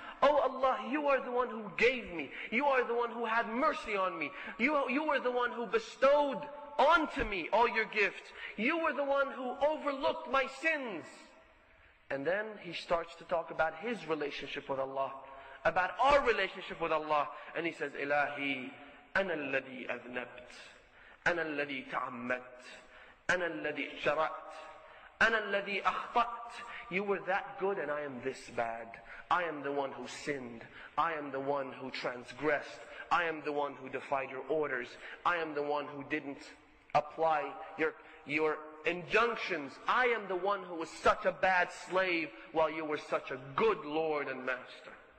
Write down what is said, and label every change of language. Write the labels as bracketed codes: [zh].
[en] Oh Allah, you are the one who gave me. You are the one who had mercy on me. You are the one who bestowed onto me all your gifts. You were the one who overlooked my sins. And then he starts to talk about his relationship with Allah, about our relationship with Allah. And he says, [ar] إِلَهِ أَنَا الَّذِي أَذْنَبْتْ أَنَا الَّذِي تَعَمَّتْ أَنَا الَّذِي شَرَأْتْ أَنَا الَّذِي أَخْطَأْتْ. [en] You were that good and I am this bad. I am the one who sinned. I am the one who transgressed. I am the one who defied your orders. I am the one who didn't apply your injunctions. I am the one who was such a bad slave while you were such a good Lord and Master.